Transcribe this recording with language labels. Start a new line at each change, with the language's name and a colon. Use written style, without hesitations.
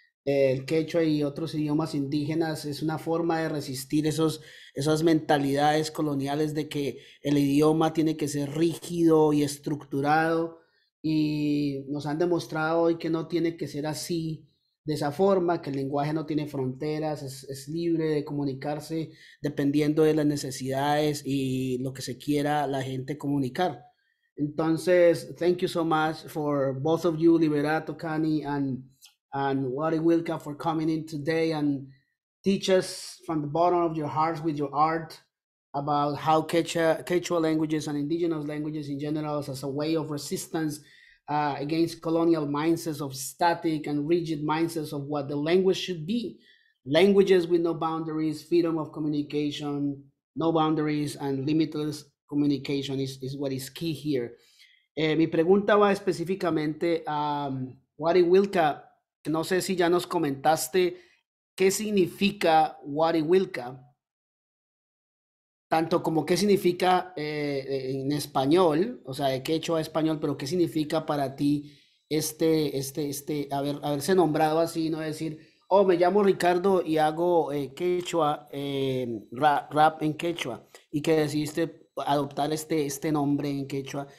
Spanish: el quechua y otros idiomas indígenas es una forma de resistir esas mentalidades coloniales de que el idioma tiene que ser rígido y estructurado. Y nos han demostrado hoy que no tiene que ser así, de esa forma, que el lenguaje no tiene fronteras, es libre de comunicarse dependiendo de las necesidades y lo que se quiera la gente comunicar.
English: Entonces, thank you so much for both of you, Liberato Cani and Wari Wilka, for coming in today and teach us from the bottom of your hearts with your art about how Quechua languages and indigenous languages in general as a way of resistance against colonial mindsets of static and rigid mindsets of what the language should be. Languages with no boundaries, freedom of communication, no boundaries and limitless communication is what is key here.
Spanish: Mi pregunta va específicamente a Wari Wilka. No sé si ya nos comentaste qué significa Wari Wilka, tanto como qué significa en español, o sea, de quechua a español, pero qué significa para ti este haberse nombrado así, no decir, oh, me llamo Ricardo y hago quechua, rap en quechua, y que decidiste adoptar este nombre en quechua.